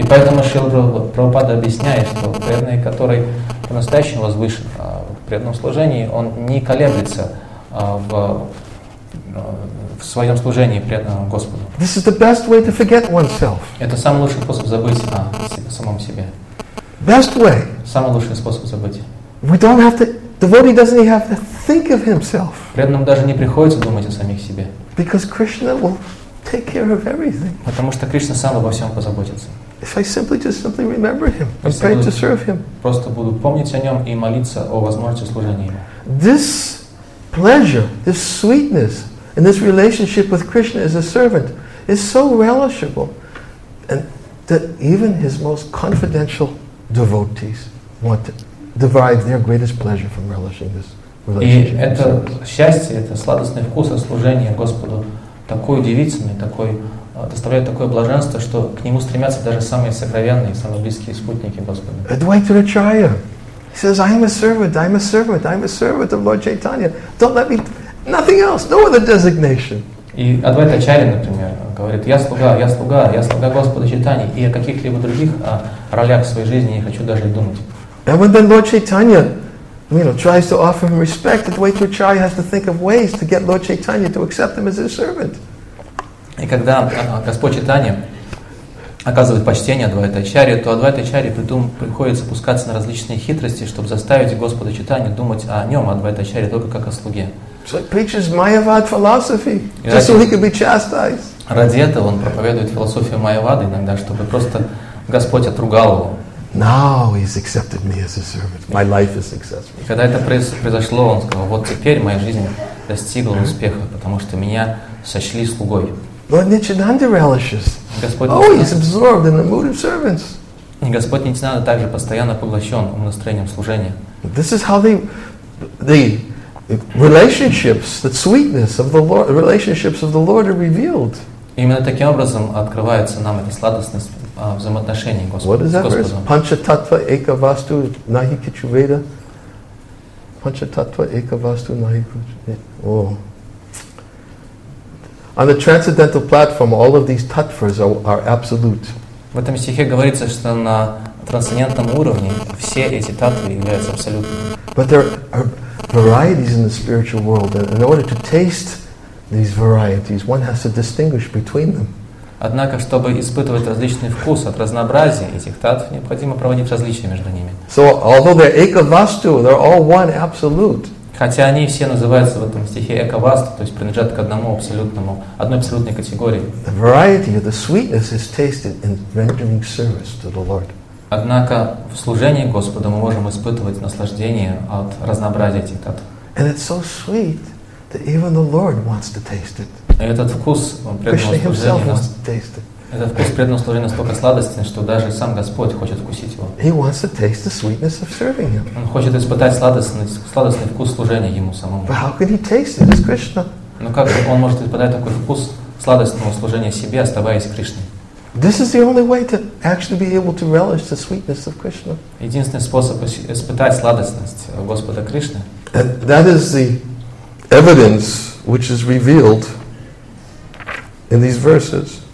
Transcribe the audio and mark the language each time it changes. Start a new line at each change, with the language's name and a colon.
Russian: И поэтому Шрила Прабхупада объясняет, что преданный, который по-настоящему возвышен в преданном служении, он не колеблется в своем служении преданному Господу.
English: This is the best way to forget oneself.
Russian: Это самый лучший способ забыть о самом себе.
English: Best way.
Russian: Самый лучший способ забыть.
English: We don't have to. Devotee doesn't even have to think of himself.
Russian: Преданному даже не приходится думать о самих себе.
English: Because Krishna will take care of everything.
Russian: Потому что Кришна сам обо всем позаботится.
English: If I simply remember him, and pray to serve him.
Russian: Просто буду помнить о нем и молиться о возможности служения ему.
English: This pleasure, this sweetness, and this relationship with Krishna as a servant is so relishable, and that even his most confidential devotees want to derive their greatest pleasure from relishing this relationship.
Russian: И это счастье, это сладостный вкус от служения Господу такой удивительный, такой доставляет такое блаженство, что к нему стремятся даже самые сокровенные, самые близкие спутники Господа.
English: Advaita Acharya, he says, I am a servant, I am a servant, I am a servant of Lord Chaitanya. Don't let me, nothing else, no other designation.
Russian: И Advaita Acharya, например, говорит, я слуга, я слуга, я слуга Господа Чайтаньи, и о каких-либо других ролях в своей жизни не хочу даже думать.
English: And when then Lord Chaitanya, tries to offer him respect, Advaita Acharya has to think of ways to get Lord Chaitanya to accept him as his servant.
Russian: И когда Господь Чайтанья оказывает почтение Адвайта Ачарье, то Адвайта Ачарье приходится пускаться на различные хитрости, чтобы заставить Господа Чайтанью думать о нем, Адвайта Ачарье, только как о слуге.
English: So he preaches Mayavad philosophy, just so he can be chastised.
Russian: Ради этого он проповедует философию Майявады иногда, чтобы просто Господь отругал его.
English: Now he's accepted me as a servant. My life is successful.
Russian: Когда это произошло, он сказал: вот теперь моя жизнь достигла успеха, потому что меня сочли слугой.
English: Lord Nityananda relishes. Oh, he's absorbed in the mood of servants.
Russian: И Господь Нитянанда также постоянно поглощен настроением служения.
English: This is how the relationships, the sweetness of the Lord, relationships of the Lord are revealed.
Russian: Именно таким образом открывается нам эта сладостность взаимоотношений Господа.
English: What is that verse?
Sanskrit: Panchatattva ekavastu nahi kichuveda. Panchatattva ekavastu nahi kichuveda.
English: Oh. On the transcendental platform, all of these tattvas are absolute.
Russian: В этом стихе говорится, что на трансцендентном уровне все эти таттвы являются абсолютными.
English: But there are varieties in the spiritual world, and in order to taste these varieties, one has to distinguish between them.
Russian: Однако, чтобы испытывать различный вкус от разнообразия этих таттв, необходимо проводить различия между ними.
English: So, although they're ekavastu, they're all one absolute.
Russian: Хотя они все называются в этом стихе эковасту, то есть принадлежат к одному абсолютному, одной абсолютной категории.
English: The variety of the sweetness is tasted in rendering service to the Lord.
Russian: Однако в служении Господу мы можем испытывать наслаждение от разнообразия этих таттв.
English: And it's so sweet that even the Lord wants to taste it.
Russian: Этот вкус преданного служения. Этот вкус преданного служения настолько сладостен, что даже сам Господь хочет вкусить его.
English: He wants to taste the sweetness of serving him.
Russian: Он хочет испытать сладостный вкус служения ему самому.
English: But how can he taste it as Krishna?
Russian: Но как же он может испытать такой вкус сладостного служения себе, оставаясь Кришной?
English: This is the only way to actually be able to relish the sweetness of Krishna.
Russian: Единственный способ испытать сладостность Господа Кришны.
English: And that is the evidence which is revealed in these verses.